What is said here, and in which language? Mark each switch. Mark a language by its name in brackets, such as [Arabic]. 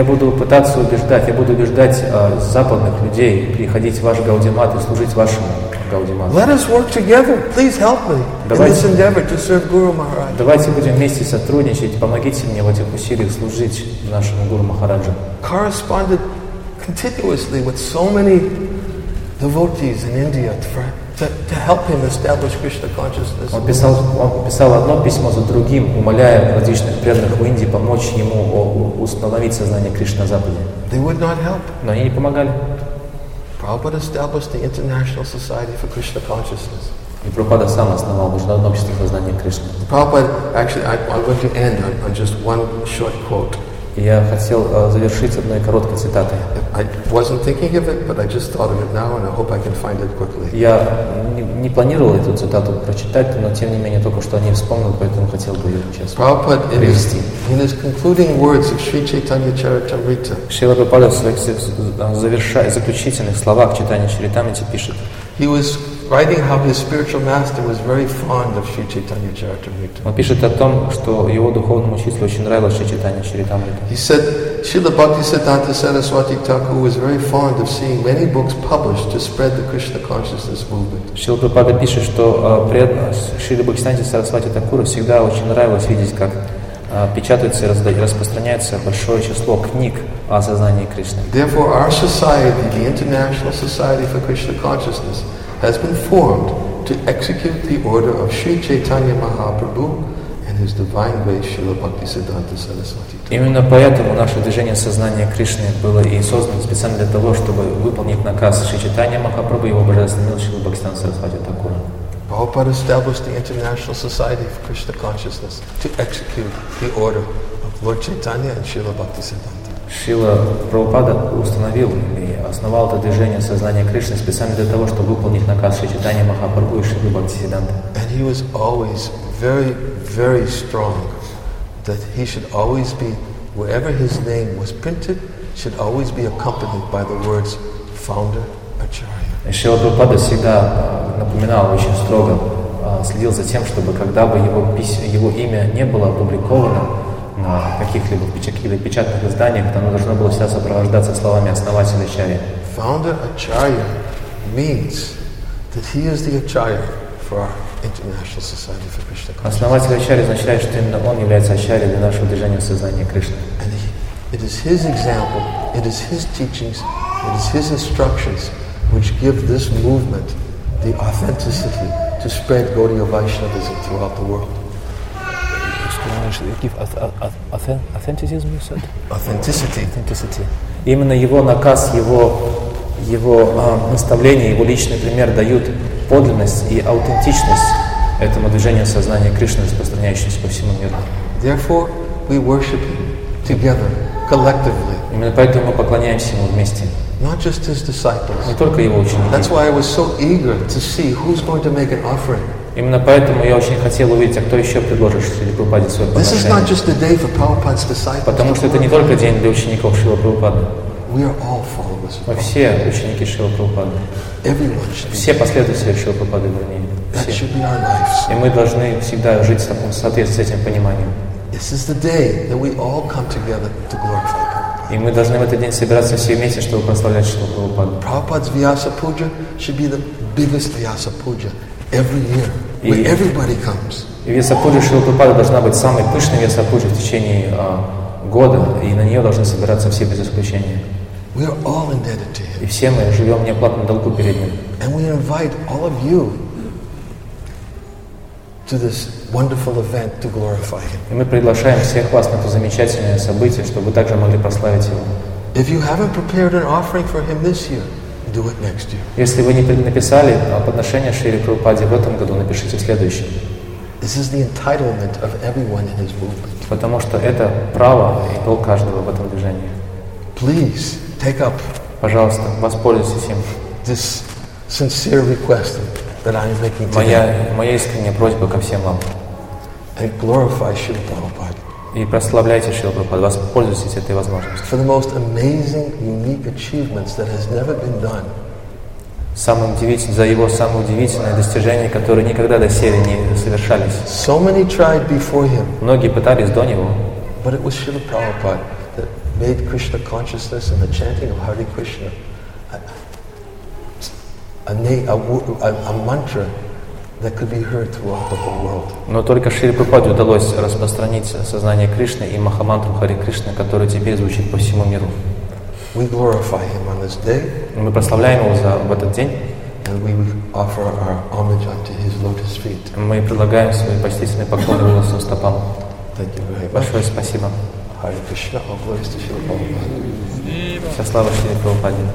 [Russian] Я буду убеждать западных людей приходить в ваш Гаудимат и служить вашему. [English] Let us work together. Please help me in this endeavor to serve Guru Maharaj. [Russian] Давайте будем вместе сотрудничать. Помогите мне в этих усилиях служить нашему Гуру Махараджу. [English] Corresponded continuously with so many devotees in India to help him establish Krishna consciousness. [Russian] Он писал одно письмо за другим, умоляя различных преданных в Индии помочь ему установить сознание Кришны на Западе. [English] They would not help. [Russian] Но они не помогали. [English] Prabhupada established the International Society for Krishna Consciousness. [Russian] И Прабхупада сам основал Международное общество сознания Кришны. [English] Prabhupada, actually, I'm going to end on just one short quote. [Russian] Я хотел завершить одной короткой цитатой. [English] I wasn't thinking of it, but I just thought of it now, and I hope I can find it quickly. [Russian] Я не планировал эту цитату прочитать, но тем не менее только что о ней вспомнил, поэтому хотел бы ее сейчас [English] Prabhupada [Russian] привести. [English] In his concluding words of Sri Chaitanya Charitamrita. [Russian] Шрила Прабхупада в своих заключительных словах читания Чаритамриты пишет. [English] He was writing how his spiritual master was very fond of Sri Chaitanya Charitamrita. [Russian] Он пишет о том, что его духовному учителю очень нравилось Шри Чайтанья Чаритамрита. [English] He said Śrīla Bhaktisiddhānta Saraswati Thakur was very fond of seeing many books published to spread the Krishna consciousness movement. [Russian] Śrīla Prabhupāda пишет, что Śrīla Bhaktisiddhānta Saraswati Thakur всегда очень нравилось видеть, как печатается и распространяется большое число книг о сознании Кришны. [English] Therefore, our society, the International Society for Krishna Consciousness, has been formed to execute the order of Sri Chaitanya Mahaprabhu and his divine grace Śrīla Bhaktisiddhānta Saraswati. [Russian] Именно поэтому наше движение сознания Кришны было и создано специально для того, чтобы выполнить наказ Шри Чайтанья Махапрабху и его божественной милости Śrīla Bhaktisiddhānta Saraswati Thakura. [English] Prabhupada established the International Society for Krishna Consciousness to execute the order of Lord Chaitanya and Śrīla Bhaktisiddhānta. [Russian] Śrīla Prabhupada установил и основал это движение сознания Кришны специально для того, чтобы выполнить наказ Шри Чайтанья Махапрабху и Śrīla Bhaktisiddhānta. [English] And he was always very, very strong that he should always be, wherever his name was printed, should always be accompanied by the words founder Acharya. [Russian] Śrīla Prabhupada всегда напоминал очень строго, следил за тем, чтобы когда бы его имя не было опубликовано на каких-либо печатных изданиях, то оно должно было всегда сопровождаться словами основателя Ачарьи. [English] Founder Acharya means that he is the Acharya for our International Society for Krishna Consciousness. [Russian] Основатель Ачарьи означает, что именно он является Ачарьей для нашего движения сознания Кришны. [English] And it is his example, it is his teachings, it is his instructions which give this movement the authenticity to spread Gaudiya Vaishnavism throughout the world. Give authenticism, you said? Authenticity. Authenticity. [Russian] Именно его наказ, его его наставления, его личный пример дают подлинность и аутентичность этому движению сознания Кришны, распространяющемуся по всему миру. [English] Therefore, we worship him together, collectively. [Russian] Именно поэтому мы поклоняемся ему вместе. [English] Not just his disciples. [Russian] Не только его ученики. [English] That's why I was so eager to see who's going to make an offering. [Russian] Именно поэтому я очень хотел увидеть, а кто еще предложит Шрила Прабхупаде свое подношение. [English] This is not just a day for Prabhupada's disciples. [Russian] Потому что это не только день для учеников Шрила Прабхупады. [English] We are all followers. [Russian] Мы все ученики Шрила Прабхупады. [English] Everyone should. [Russian] Все последователи Шрила Прабхупады, вернее. [English] That should be our lives. [Russian] И мы должны всегда жить в соответствии с этим пониманием. [English] This is the day that we all come together to glorify God. [Russian] И мы должны в этот день собираться все вместе, чтобы прославлять Шрилу Прабхупаду. [English] Prabhupada's Vyasa Puja should be the biggest Vyasa Puja every year, when everybody comes. [Russian] И Vyasa Puja Шрилы Прабхупады должна быть самой пышной Vyasa Puja в течение года, и на нее должны собираться все без исключения. [English] We are all indebted to him. [Russian] И все мы живем в неоплатном долгу перед ним. [English] And we invite all of you to this wonderful event to glorify him. [Russian] И мы приглашаем всех вас на это замечательное событие, чтобы вы также могли прославить его. [English] If you haven't prepared an offering for him this year, do it next year. [Russian] Если вы не написали подношение Шриле Прабхупаде в этом году, напишите в следующем. [English] This is the entitlement of everyone in his movement. [Russian] Потому что это право и долг каждого в этом движении. [English] Please take up. [Russian] Пожалуйста, воспользуйтесь им. [English] This sincere request. That I'm making to [Russian] моя искренняя просьба ко всем вам. [English] And glorify Shrila Prabhupada. [Russian] И прославляйте Шрилу Прабхупаду. Воспользуйтесь этой возможностью. [English] For the most amazing, unique achievements that has never been done. [Russian] За его самое удивительное достижение, которое никогда доселе не совершались. [English] So many tried before him. [Russian] Многие пытались до него. [English] But it was Shrila Prabhupada that made Krishna consciousness and the chanting of Hare Krishna. A mantra that could be heard throughout the whole world. [Russian] Но только Шриле Прабхупаде удалось распространить сознание Кришны и Махамантру Хари Кришны, которая теперь звучит по всему миру. [English] We glorify him on this day. [Russian] Мы прославляем его в этот день. [English] And we offer our homage unto his lotus feet. [Russian] Мы предлагаем свои почтительные поклоны его лотосным стопам. [English] Thank you very much. [Russian] Большое спасибо. [English] Hare Krishna, all glories to Shrila Prabhupada. [Russian] Вся слава Шриле Прабхупаде.